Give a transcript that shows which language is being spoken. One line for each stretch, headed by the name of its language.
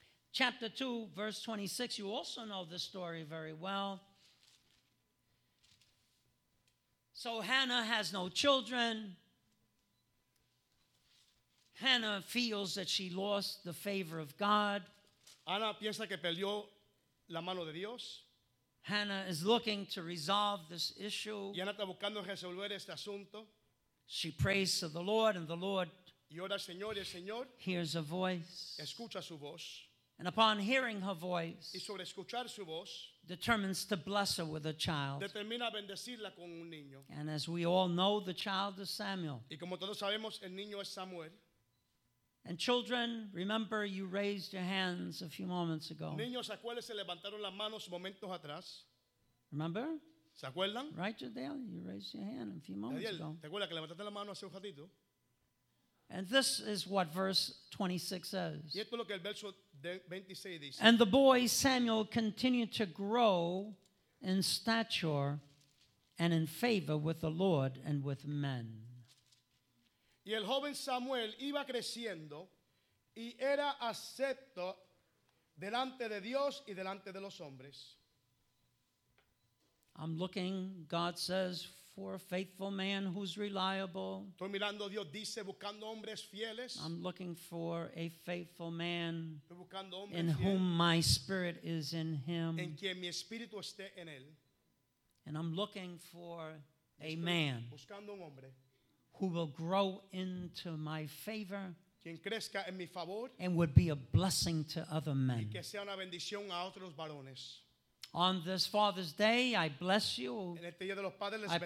English: Chapter 2, verse 26, you also know this story very well. So Hannah has no children. Hannah feels that she lost the favor of God.
Spanish: Ana piensa que perdió la mano de Dios.
English: Hannah is looking to resolve this issue.
Spanish: Y Ana está buscando resolver este asunto.
English: She prays to the Lord, and the Lord
Spanish: y ora al Señor, y el Señor
English: hears a voice.
Spanish: Escucha su voz.
English: And upon hearing her voice,
Spanish: y sobre escuchar su voz,
English: determines to bless her with a child.
Spanish: Determina bendecirla con un niño.
English: And as we all know, the child is Samuel.
Spanish: Y como todos sabemos, el niño es Samuel.
English: And children, remember you raised your hands a few moments ago.
Spanish: Niños, acuérdense, levantaron las manos momentos atrás.
English: Remember?
Spanish: ¿Se acuerdan?
English: Right, Dale, you raised your hand a few moments
Spanish: Dale,
English: ago.
Spanish: ¿Te acuerdas que levantaste la mano hace un ratito?
English: And this is what verse 26 says.
Spanish: Y esto es lo que el verso 26 dice.
English: And the boy Samuel continued to grow in stature and in favor with the Lord and with men.
Spanish: Y el joven Samuel iba creciendo y era acepto delante de Dios y delante de los hombres.
English: I'm looking, God says, for a faithful man who's reliable.
Spanish: Estoy mirando Dios dice, buscando hombres fieles.
English: I'm looking for a faithful man
Spanish: estoy buscando hombres
English: in
Spanish: fieles.
English: Whom my spirit is in him.
Spanish: En quien mi espíritu esté en él.
English: And I'm looking for
Spanish: estoy
English: a man
Spanish: buscando un hombre.
English: Who will grow into my favor,
Spanish: quien crezca en mi favor
English: and would be a blessing to other men.
Spanish: Y que sea una bendición a otros varones.
English: On this Father's Day, I bless you.
Spanish: En este día de los padres les bendigo.